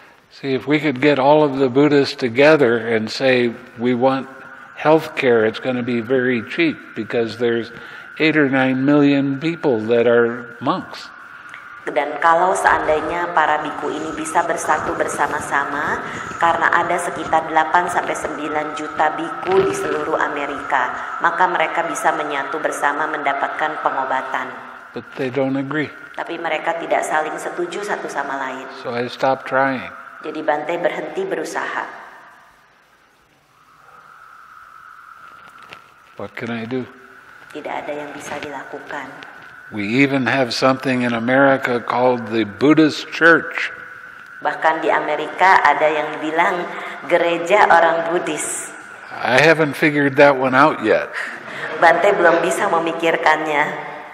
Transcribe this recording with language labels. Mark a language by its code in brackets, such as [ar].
[en] See, if we could get all of the Buddhists together and say we want health care, it's going to be very cheap because there's 8 or 9 million people that are monks. [id] Dan kalau seandainya para biku ini bisa bersatu bersama-sama, karena ada sekitar 8-9 juta biku di seluruh Amerika, maka mereka bisa menyatu bersama mendapatkan pengobatan. [en] But they don't agree. [id] Tapi mereka tidak saling setuju satu sama lain. [en] So I stopped trying. [id] Jadi Bhante berhenti berusaha. [en] What can I do? [id] Tidak ada yang bisa dilakukan. [en] We even have something in America called the Buddhist Church. [id] Bahkan di Amerika ada yang bilang gereja orang Buddhis. [en] I haven't figured that one out yet. [id] Bhante belum bisa memikirkannya.